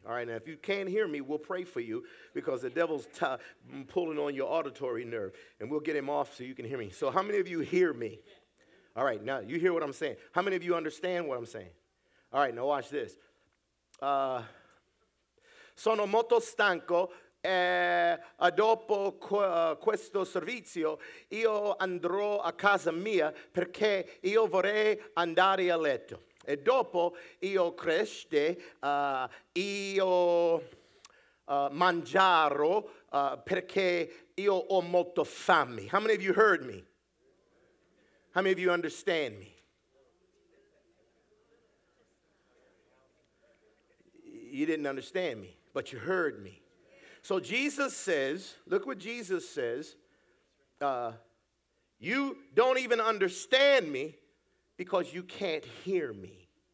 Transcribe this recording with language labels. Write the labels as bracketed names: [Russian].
[English] All right, now if you can't hear me, we'll pray for you because the devil's pulling on your auditory nerve. And we'll get him off so you can hear me. So how many of you hear me? All right, now you hear what I'm saying. How many of you understand what I'm saying? All right, now watch this. [Italian] Sono molto stanco. Dopo questo servizio io andrò a casa mia perché io vorrei andare a letto. E dopo io cresce, io mangiarò perché io ho molto fame. [English] How many of you heard me? How many of you understand me? You didn't understand me, but you heard me. So Jesus says, look what Jesus says, you don't even understand me because you can't hear me.